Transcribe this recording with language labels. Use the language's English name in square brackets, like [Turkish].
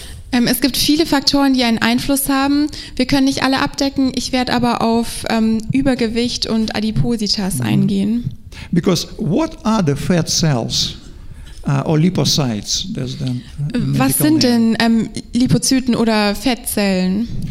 [German] Es gibt viele Faktoren, die einen Einfluss haben. Wir können nicht alle abdecken. Ich werde aber auf Übergewicht und Adipositas eingehen. [English] Because what are the fat cells or lipocytes? That's the [German] Was sind denn Lipozyten oder Fettzellen?